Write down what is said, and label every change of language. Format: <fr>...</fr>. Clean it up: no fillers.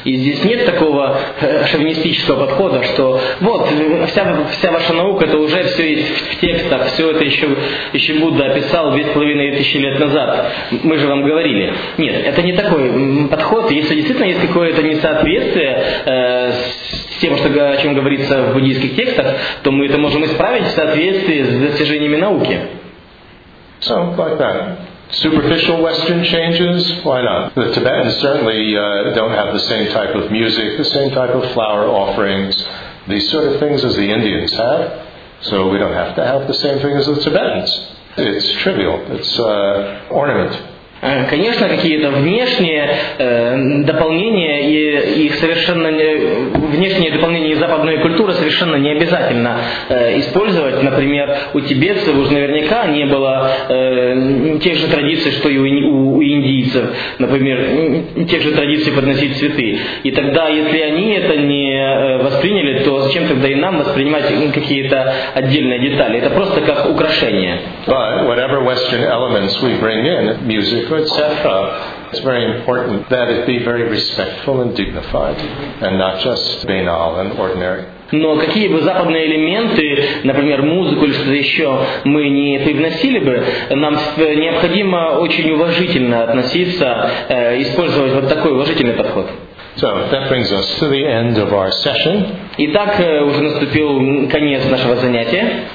<ru>И здесь нет такого шовинистического подхода, что вот вся ваша наука это уже все есть в текстах, все это еще Будда описал 2500 лет назад. Мы же вам говорили. Нет, это не такой подход. Если действительно есть какое-то несоответствие с тем, что, о чем говорится в буддийских текстах, то мы это можем исправить в соответствии с достижениями науки.</ru> <en>So, like that. Superficial Western changes? Why not? The Tibetans certainly don't have the same type of music, the same type of flower offerings, these sort of things as the Indians have. So we don't have to have the same thing as the Tibetans. It's trivial. It's ornament.</en> <ru>Конечно, какие-то внешние дополнения и их совершенно внешние дополнения западной культуры совершенно не обязательно использовать. Например, у тибетцев уж наверняка не было тех же традиций, что и у индийцев, например, тех же традиций подносить цветы. И тогда, если они это не восприняли, то зачем тогда и нам воспринимать какие-то отдельные детали? Это просто как украшение.</ru> <en>But whatever Western elements we bring in, music, etc., it's very important that it be very respectful and dignified and not just banal and ordinary.</en> <ru>Но какие бы западные элементы, например, музыку или что-то еще, мы не привносили бы, нам необходимо очень уважительно относиться, использовать вот такой уважительный подход.</ru> <en>So that brings us to the end of our session.</en> <ru>Итак, уже наступил конец нашего занятия.</ru>